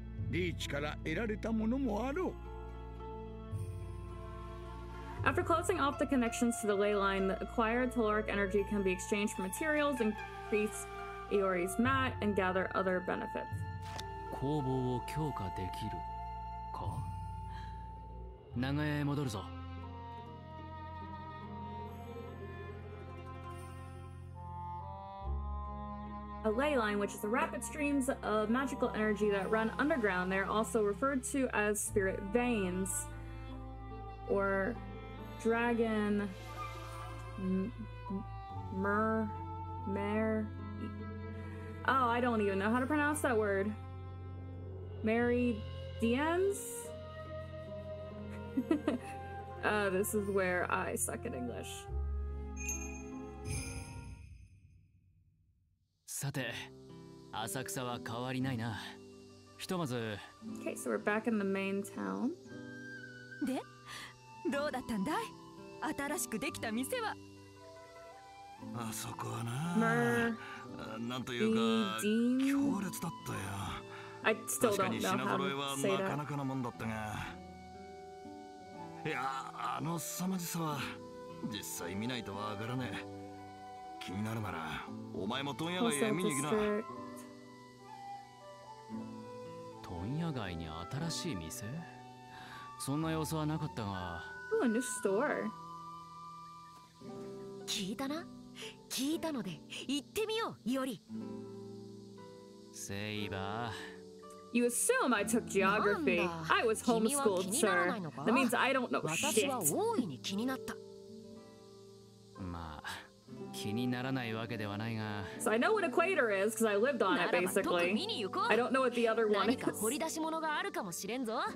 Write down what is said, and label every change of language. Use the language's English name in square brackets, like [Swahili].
[Japanese] リーチから得られたものもあろう。 [English] After closing off the connections to the ley line, the acquired telluric energy can be exchanged for materials, increase Iori's mat, and gather other benefits. [Japanese] 攻防を強化できるか。長屋へ戻るぞ。 [English] A ley line, which is the rapid streams of magical energy that run underground. They're also referred to as spirit veins or dragon mer. Oh, I don't even know how to pronounce that word. Mary Dienz? this is where I suck at English. [Japanese] さて、浅草は変わりないな。ひとまず。 [English] Okay, so we're back in the main town. [Japanese] で、どうだったんだい？新しくできた店は。あそこはな。まあ、なんというか、強烈だったよ。 [English] I still don't know how to say that. [Japanese] 確かに品揃えはなかなかのもんだったが。いや、あの凄まじさは、実際見ないとわからねえ。気になるなら、お前も問屋街へ見に行きな。問屋街に新しい店？そんな様子はなかったが。 [English] Ooh, a new store. [Japanese] 聞いたな？聞いたので、行ってみよう、より。セイバー。 [English] You assume I took geography. I was homeschooled, sir. That means I don't know shit. [Japanese] 私は大いに気になった。気にならないわけではないが。 [English] So I know what equator is, because I lived on it, basically. I don't know what the other one is. [Japanese] 何か掘り出し物があるかもしれんぞ。